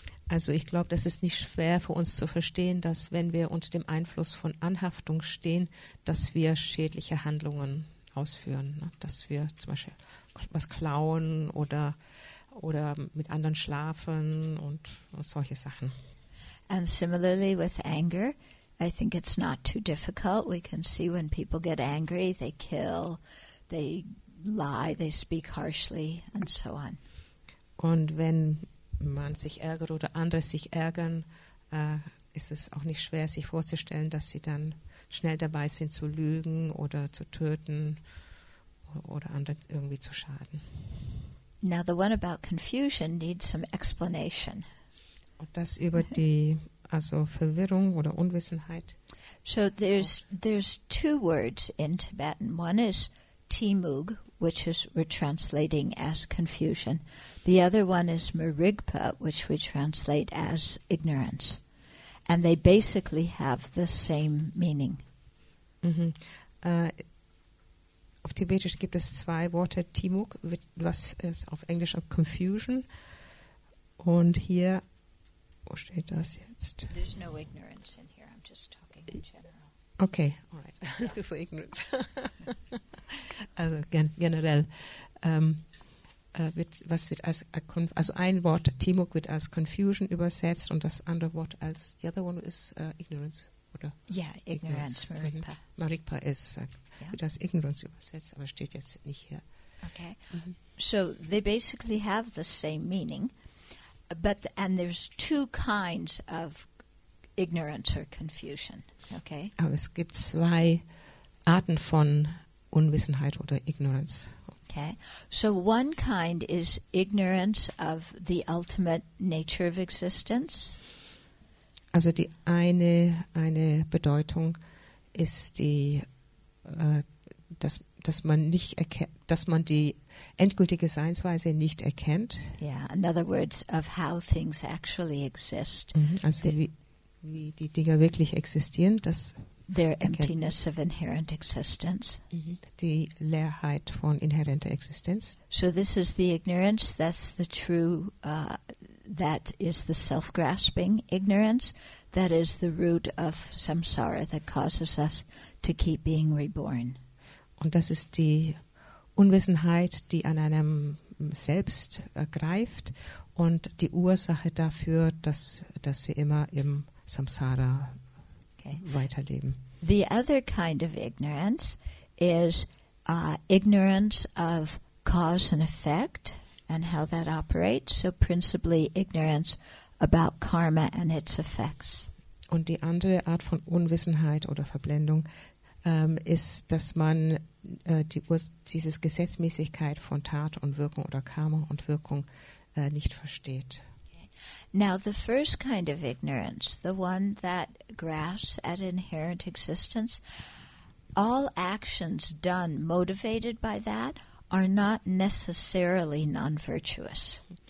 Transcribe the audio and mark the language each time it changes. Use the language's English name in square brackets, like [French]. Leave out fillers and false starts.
[German] Also ich glaube, das ist nicht schwer für uns zu verstehen, dass wenn wir unter dem Einfluss von Anhaftung stehen, dass wir schädliche Handlungen ausführen. Ne? Dass wir zum Beispiel was klauen oder mit anderen schlafen und solche Sachen. [English] And similarly with anger, I think it's not too difficult. We can see when people get angry, they kill, they lie, they speak harshly and so on. [German] Und wenn man sich ärgert oder andere sich ärgern, ist es auch nicht schwer, sich vorzustellen, dass sie dann schnell dabei sind zu lügen oder zu töten oder andere irgendwie zu schaden. [English] Now the one about confusion needs some explanation. [German] Und das über die also Verwirrung oder Unwissenheit. [English] So there's two words in Tibetan. One is timug, which is we're translating as confusion. The other one is Mirigpa, which we translate as ignorance. And they basically have the same meaning. Mm-hmm. [German] Auf Tibetisch gibt es zwei Worte, Timuk, was ist auf Englisch auch confusion. Und hier, wo steht das jetzt? [English] There's no ignorance in here, I'm just talking in general. Okay, all right. Yeah. For ignorance. [German] also generell, ein Wort Timuk wird als Confusion übersetzt und das andere Wort als [English] the other one is Ignorance, oder? [German] Ja, yeah, Ignorance, Marikpa. Marikpa ist wird als Ignorance übersetzt, aber steht jetzt nicht hier. [English] Okay, so they basically have the same meaning, but and there's two kinds of ignorance or confusion. Okay. [German] Aber es gibt zwei Arten von Unwissenheit oder Ignoranz. [English] Okay. So one kind is ignorance of the ultimate nature of existence. [German] Also die eine Bedeutung ist die dass man die endgültige Seinsweise nicht erkennt. [English] Yeah, in other words, of how things actually exist. [German] Also wie die Dinge wirklich existieren, das [English] their emptiness of inherent existence. [German] Die Leerheit von inhärenter Existenz. [English] So this is the ignorance, that's the true, that is the self-grasping ignorance, that is the root of samsara that causes us to keep being reborn. [German] Und das ist die Unwissenheit, die an einem Selbst greift und die Ursache dafür, dass wir immer im Samsara weiterleben. [English] The other kind of ignorance is ignorance of cause and effect and how that operates. So principally ignorance about karma and its effects. [German] Und die andere Art von Unwissenheit oder Verblendung ist, dass man dieses Gesetzmäßigkeit von Tat und Wirkung oder Karma und Wirkung nicht versteht. [English] Now the first kind of ignorance, the one that grasps at inherent existence, all actions done motivated by that are not necessarily non-virtuous.